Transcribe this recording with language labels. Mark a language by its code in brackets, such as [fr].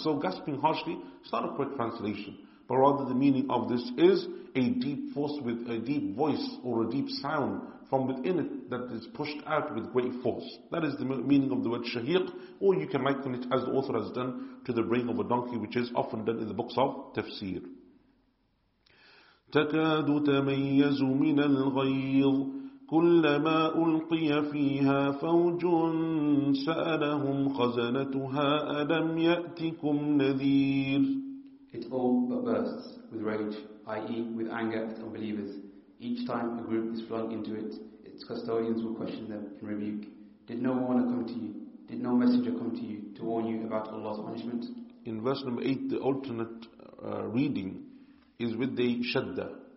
[en] So gasping harshly is not a correct translation. But rather the meaning of this is a deep force with a deep voice or a deep sound from within it that is pushed out with great force. That is the meaning of the word shahiq. Or you can liken it, as the author has done, to the brain of a donkey, which is often done in the books of tafsir. [ar] تكاد تميز من الغيظ كلما ألقي فيها فوج سألهم خزنتها ألم يأتكم نذير. [en] It all but bursts with rage, i.e. with anger at unbelievers. Each time a group is flung into it, its custodians will question them and rebuke. Did no warner come to you? Did no messenger come to you to warn you about Allah's punishment? In verse number 8, the alternate reading is with the shadda.